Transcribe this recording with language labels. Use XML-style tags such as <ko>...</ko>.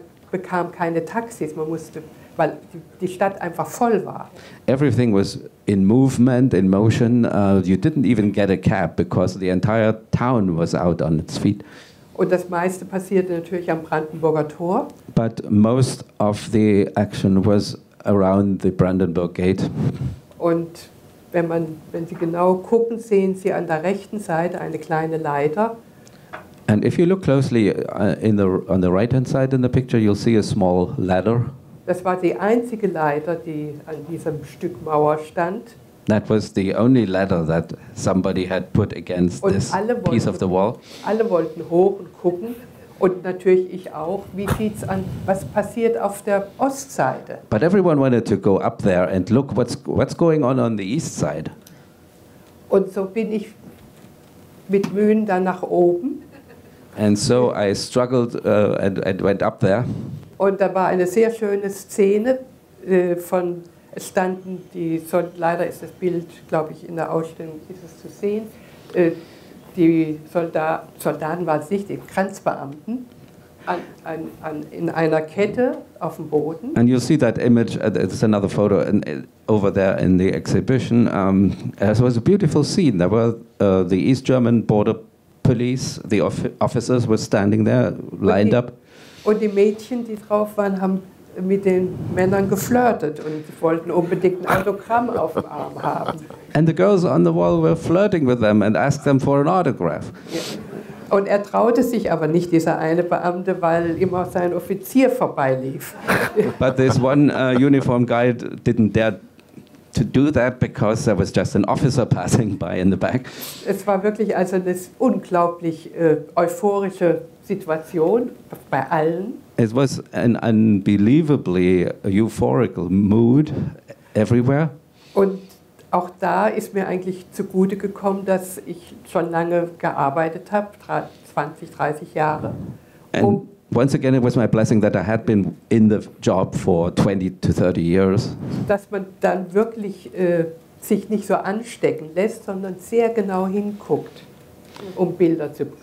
<de>Bekam keine Taxis, man musste, weil die Stadt einfach voll war.</de> <en>Everything was in movement, in motion. You didn't even get a cab because the entire town was out on its feet.</en> <de>Und das meiste passierte natürlich am Brandenburger Tor.</de> <en>But most of the action was around the Brandenburg Gate.</en> <de>Und wenn Sie genau gucken, sehen Sie an der rechten Seite eine kleine Leiter.</de> <en>And if you look closely on the right-hand side in the picture, you'll see a small ladder.</en> <de>Das war die einzige Leiter, die an diesem Stück Mauer stand.</de> <en>That was the only ladder that somebody had put against</en> <de>und</de> <en>this piece of the wall.</en> <de>Alle wollten hoch und gucken. Und natürlich ich auch. Wie sieht's an? Was passiert auf der Ostseite?</de> <en>But everyone wanted to go up there and look what's going on the east side.</en> <de>Und so bin ich mit Mühen dann nach oben.</de> <en>And so I struggled and went up there.</en> <de>Und da war eine sehr schöne Szene von standen die leider ist das Bild glaube ich in der Ausstellung ist es zu sehen. Die Soldaten waren es nicht, die Grenzbeamten an in einer Kette auf dem Boden.</de> <en>And you see that image, it's another photo over there in the exhibition. It was a beautiful scene. There were the East German border police, the officers were standing there, lined up.</en> <de>Und die Mädchen, die drauf waren, haben mit den Männern geflirtet und wollten unbedingt ein Autogramm auf dem Arm haben.</de> <en>And the girls on the wall were flirting with them and asked them for an autograph.</en> <de>Und traute sich aber nicht, dieser eine Beamte, weil immer sein Offizier vorbeilief.</de> <en>But this one uniform guy didn't dare to do that because there was just an officer passing by in the back.</en> <de>Es war wirklich also eine unglaublich euphorische Situation bei allen.</de> <en>It was an unbelievably euphorical mood everywhere.</en> <de>Und auch da ist mir eigentlich zugute gekommen, dass ich schon lange gearbeitet habe, 20, 30 Jahre.</de> <en>And once again, it was my blessing that I had been in the job for 20 to 30 years.</en> <de>Dass man dann wirklich sich nicht so anstecken lässt, sondern sehr genau hinguckt, um Bilder zu bekommen.</de>